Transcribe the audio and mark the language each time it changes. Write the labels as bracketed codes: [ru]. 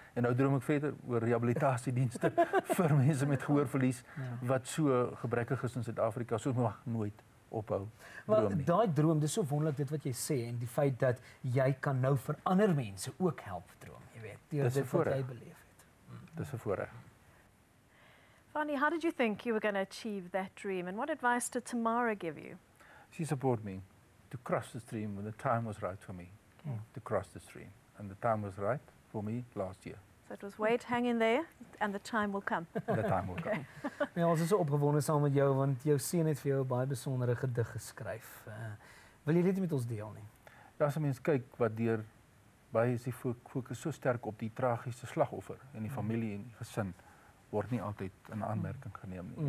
[af] En nou droom ek verder oor rehabilitasiedienste vir mense met gehoorverlies wat so gebrekkig is in Suid-Afrika, so mag nooit ophou droom nie. Daai droom, dis so wonderlik dit wat jy sê en die feit dat jy kan nou vir ander mense ook help droom, jy weet, deur dit wat jy beleef het. Dis 'n voorreg. [en] Fani, how did you think you were going to achieve that dream and what advice did Tamara give you? She supported me to cross the stream when the time was right for me. To cross the stream. And the time was right for me last year. So it was wait, hang in there, and the time will come. And the time will come. [af] Ons is so opgewonde saam met jou, want jou seun het vir jou 'n baie besondere gedig geskryf. Wil jy dit met ons deel nie? Ja, as 'n mens kyk wat deur baie is die fokus so sterk op die tragiese slagoffer en die familie en die gesin, word nie altyd in aanmerking geneem nie.